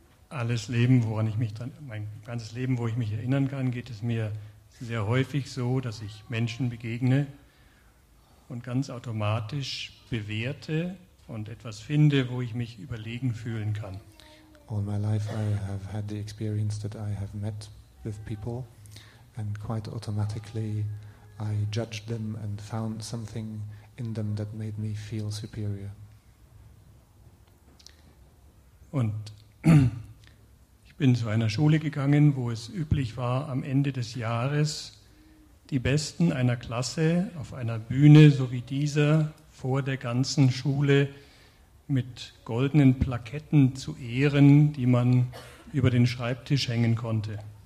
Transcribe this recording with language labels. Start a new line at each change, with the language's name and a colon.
German: Alles Leben, woran ich mich dann, mein ganzes Leben, wo ich mich erinnern kann, geht es mir sehr häufig so, dass ich Menschen begegne und ganz automatisch bewerte und etwas finde, wo ich mich überlegen fühlen kann.
English: All my life I have had the experience that I have met with people and quite automatically I judged them and found something in them that made me feel superior.
German: Und ich bin zu einer Schule gegangen, wo es üblich war, am Ende des Jahres die Besten einer Klasse auf einer Bühne, so wie dieser, vor der ganzen Schule mit goldenen Plaketten zu ehren, die man über den Schreibtisch hängen konnte.